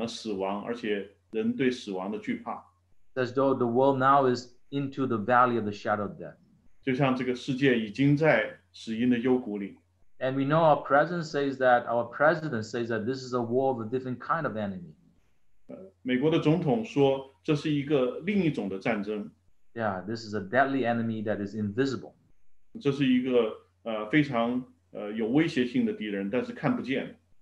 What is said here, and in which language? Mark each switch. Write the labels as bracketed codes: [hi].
[zh] 在世界我们看到充满了死亡，而且人对死亡的惧怕。 [en] As though the world now is into the valley of the shadow of death. [zh] 就像这个世界已经在死荫的幽谷里。 [en] And we know our president says that, our president says that this is a war of a different kind of enemy. [zh] 美国的总统说这是一个另一种的战争。 [en] Yeah, this is a deadly enemy that is invisible. [zh] 这是一个非常有威胁性的敌人,但是看不见。